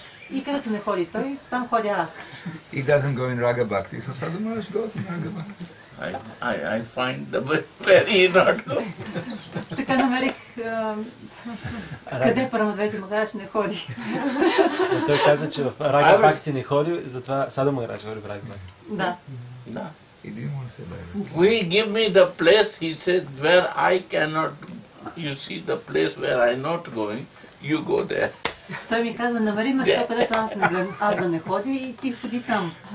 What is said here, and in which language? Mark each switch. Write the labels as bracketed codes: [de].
[bg] И където не ходи той, там ходя аз. [en] He doesn't go in Raga Bhakti, so Sadhu Maharaj goes in Raga Bhakti. I find the way where he not go. [bg] Така намерих къде Парамадвайти Махарадж не ходи. Той каза, че в Raga Bhakti не ходи, затова Sadhu Maharaj говори в Raga Bhakti. Да. [en] He didn't want to say that. We give me the place, he said, where I cannot, you see the place where I not going, you go there. [bg] Той ми каза, намери ме сто, където аз да не ходя и ти ходи там.